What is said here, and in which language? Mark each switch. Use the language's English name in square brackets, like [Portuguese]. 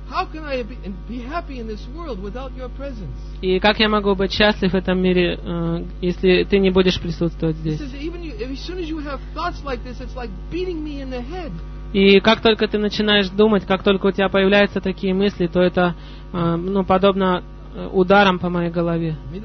[English] How can I be happy in this world without your presence? [Russian] И как я могу быть счастлив в этом мире, если ты не будешь присутствовать здесь? [English] He says, even you, as soon as you have thoughts like this, it's like beating me in the head. [Russian] И как только ты начинаешь думать, как только у тебя появляются такие мысли, то это, ну, подобно ударам по моей голове.